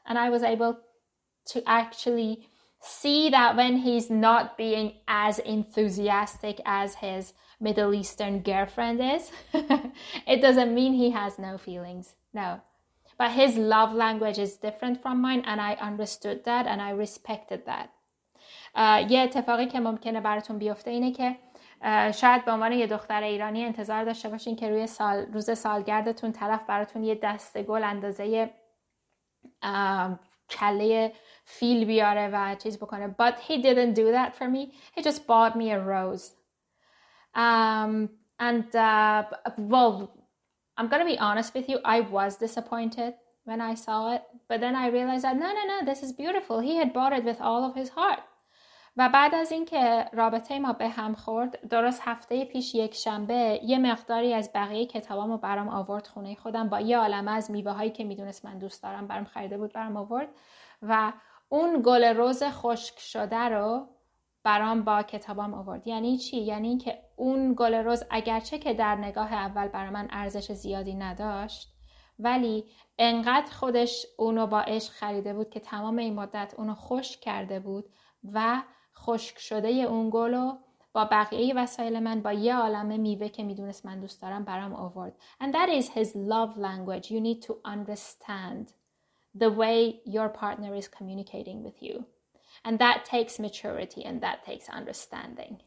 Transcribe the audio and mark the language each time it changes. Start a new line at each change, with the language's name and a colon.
English: And I was able to actually see that when he's not being as enthusiastic as his Middle Eastern girlfriend is, it doesn't mean he has no feelings. No. But his love language is different from mine, and I understood that and I respected that.
Persian: یه اتفاقی که ممکنه براتون بیفته اینه که شاید به عنوان یه دختر ایرانی انتظار داشته باشین که روی سال روز سالگردتون طرف براتون یه دسته گل اندازه کله فیل بیاره و چیز بکنه.
English: But he didn't do that for me. He just bought me a rose. Well, I'm going to be honest with you. I was disappointed when I saw it. But then I realized that, no, this is beautiful. He had bought it with all of his heart.
Persian: و بعد از این که رابطه ما به هم خورد، درست هفته پیش یک شنبه، یه مقداری از بقیه کتابامو برام آورد خونه خودم با یه عالمه از میوه‌هایی که میدونست من دوست دارم برام خریده بود برام آورد و اون گل روز خشک شده رو برام با کتابام آورد. یعنی چی؟ یعنی این که اون گل روز اگرچه که در نگاه اول برام ارزش زیادی نداشت، ولی انقدر خودش اونو با عشق خریده بود که تمام این مدت اونو خشک کرده بود و خشک شده اون گلو با بقیه وسایل من با یه عالمه میوه که میدونست من دوست دارم برام آورد.
English: And that is his love language. You need to understand the way your partner is communicating with you. And that takes maturity and that takes understanding.